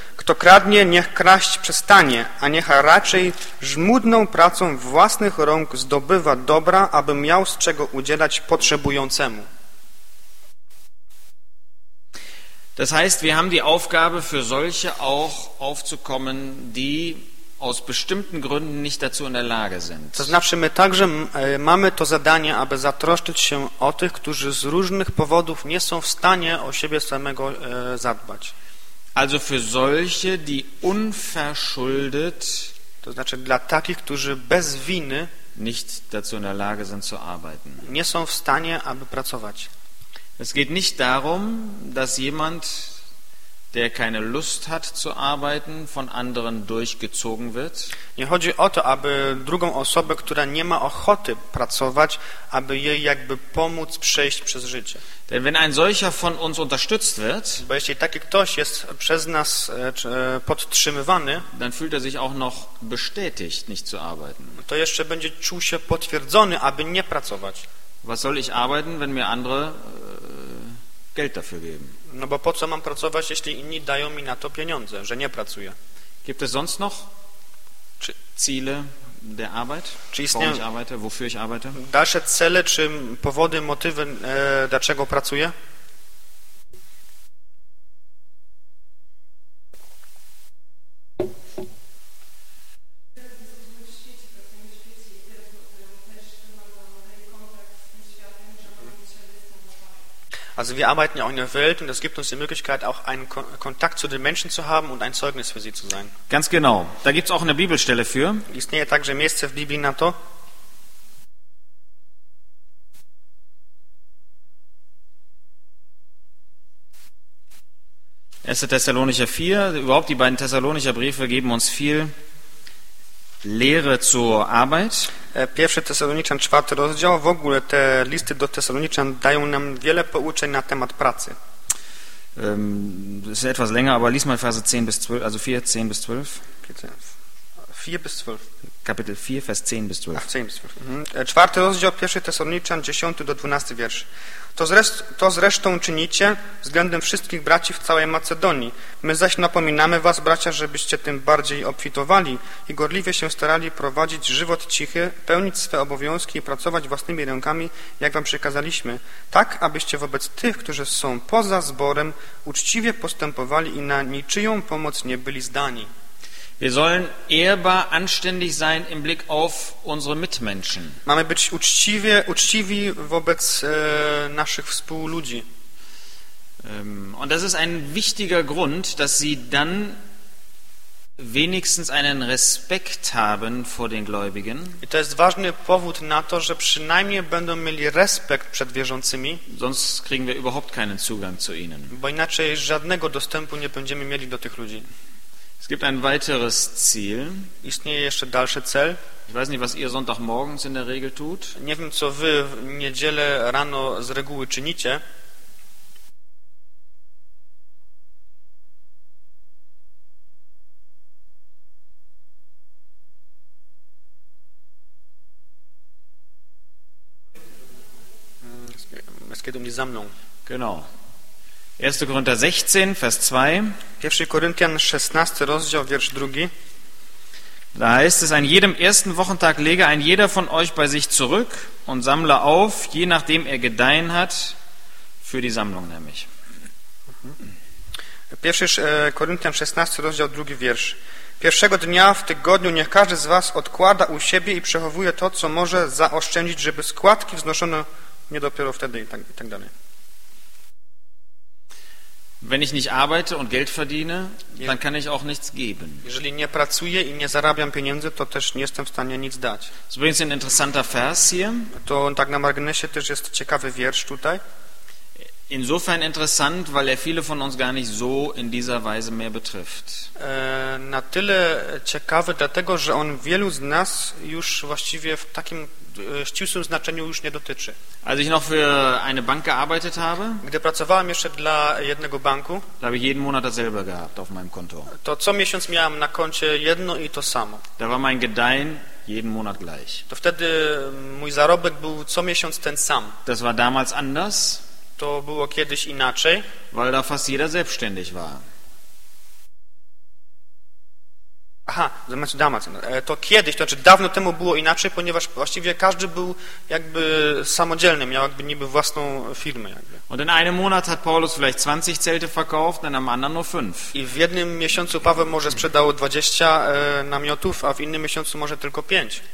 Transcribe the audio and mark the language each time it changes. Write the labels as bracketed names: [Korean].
[Polish] Kto kradnie, niech kraść przestanie, a niech raczej żmudną pracą własnych rąk zdobywa dobra, aby miał z czego udzielać potrzebującemu. [German] Das heißt, wir haben die Aufgabe, für solche auch aufzukommen, die aus bestimmten Gründen nicht dazu in der Lage sind. [Polish] To znaczy, my także mamy to zadanie, aby zatroszczyć się o tych, którzy z różnych powodów nie są w stanie o siebie samego zadbać. [German] Also für solche, die unverschuldet, [Polish] to znaczy dla takich, którzy bez winy [German] nicht dazu in der Lage sind zu arbeiten. [Polish] Nie są w stanie, aby pracować. [German] Es geht nicht darum, dass jemand der keine Lust hat zu arbeiten, von anderen durchgezogen wird. [Polish] Nie chodzi o to, aby drugą osobę, która nie ma ochoty pracować, aby jej jakby pomóc przejść przez życie. [German] Denn wenn ein solcher von uns unterstützt wird, [Polish] bo jeśli taki ktoś jest przez nas podtrzymywany, [German] dann fühlt sich auch noch bestätigt, nicht zu arbeiten. [Polish] To jeszcze będzie czuł się potwierdzony, aby nie pracować. [German] Was soll ich arbeiten, wenn mir andere Geld dafür geben? [Polish] No bo po co mam pracować, jeśli inni dają mi na to pieniądze, że nie pracuję? [German] Gibt es sonst noch Ziele der Arbeit? [Polish] Czy istnieją, [German] warum ich arbeite, wofür ich arbeite? [Polish] Dalsze cele, czy powody, motywy, dlaczego pracuję? [German] Also wir arbeiten ja auch in der Welt und das gibt uns die Möglichkeit, auch einen Kontakt zu den Menschen zu haben und ein Zeugnis für sie zu sein. Ganz genau. Da gibt es auch eine Bibelstelle für. [Polish] Istnieje także miejsce w Biblii na to. [German] Erste Thessalonicher 4, überhaupt die beiden Thessalonicher Briefe geben uns viel Lehre zur Arbeit. [Polish] Pierwszy Tesaloniczan, czwarty rozdział, w ogóle te listy do Tesaloniczan dają nam wiele pouczeń na temat pracy. [German] Ist etwas länger, aber lies mal Verse 10 bis 12, also 4, 10 bis 12. 4 bis 12. Kapitel 4, Vers 10 bis 12. Ach, 10 bis 12. Mhm. [Polish] Czwarty rozdział, pierwszy Tesaloniczan, 10 do 12 wiersz. To zresztą czynicie względem wszystkich braci w całej Macedonii. My zaś napominamy was, bracia, żebyście tym bardziej obfitowali i gorliwie się starali prowadzić żywot cichy, pełnić swe obowiązki i pracować własnymi rękami, jak wam przekazaliśmy, tak abyście wobec tych, którzy są poza zborem, uczciwie postępowali i na niczyją pomoc nie byli zdani. [German] Wir sollen ehrbar, anständig sein im Blick auf unsere Mitmenschen. [Polish] Mamy być uczciwi wobec naszych współludzi. [German] Und das ist ein wichtiger Grund, dass sie dann wenigstens einen Respekt haben vor den Gläubigen. [Polish] I to jest ważny powód na to, że przynajmniej będą mieli respekt przed wierzącymi. [German] Sonst kriegen wir überhaupt keinen Zugang zu ihnen. [Polish] Bo inaczej żadnego dostępu nie będziemy mieli do tych ludzi. [German] Es gibt ein weiteres Ziel. [Polish] Istnieje jeszcze dalsze cel. [German] Ich weiß nicht, was ihr sonntagmorgens in der Regel tut. [Polish] Nie wiem, co wy w niedzielę rano z reguły czynicie. [German] Es geht die Sammlung. Genau. 1. Korinther 16, Vers 2. [Polish] 1. Korinthian 16, rozdział, wiersz 2. [German] Da heißt es, an jedem ersten Wochentag lege ein jeder von euch bei sich zurück und sammle auf, je nachdem er gedeihen hat, für die Sammlung nämlich. [Polish] 1. Korinthian 16, rozdział 2, wiersz. Pierwszego dnia w tygodniu niech każdy z was odkłada u siebie i przechowuje to, co może zaoszczędzić, żeby składki wznoszono nie dopiero wtedy i tak dalej. [German] Wenn ich nicht arbeite und Geld verdiene, dann kann ich auch nichts geben. [Polish] Jeżeli nie pracuję i nie zarabiam pieniędzy, to też nie jestem w stanie nic dać. [German] So übrigens ein interessanter Vers hier. [Polish] To tak na marginesie też jest ciekawy wiersz tutaj. [German] Insofern interessant, weil er viele von uns gar nicht so in dieser Weise mehr betrifft. [Polish] Na tyle ciekawy, dlatego że on wielu z nas już właściwie w takim ścisłym znaczeniu już nie dotyczy. [German] Als ich noch für eine Bank gearbeitet habe, [Polish] gdy pracowałem jeszcze dla jednego banku, [German] da habe ich jeden Monat dasselbe gehabt auf meinem Konto. [Polish] To co miesiąc miałem na koncie jedno i to samo. [German] Da war mein Gedeihen jeden Monat gleich. [Polish] To wtedy mój zarobek był co miesiąc ten sam. [German] Das war damals anders. [Polish] To było kiedyś inaczej. [German] Weil da fast jeder selbstständig war. [Polish] Aha, zamiast damals. To kiedyś, to znaczy dawno temu było inaczej, ponieważ właściwie każdy był jakby samodzielny, miał jakby niby własną firmę. Jakby. [German] Und in einem Monat hat Paulus vielleicht 20 Zelte verkauft, in einem anderen nur 5. [Polish] I w jednym miesiącu Paweł może sprzedał 20 namiotów, a w innym miesiącu może tylko 5.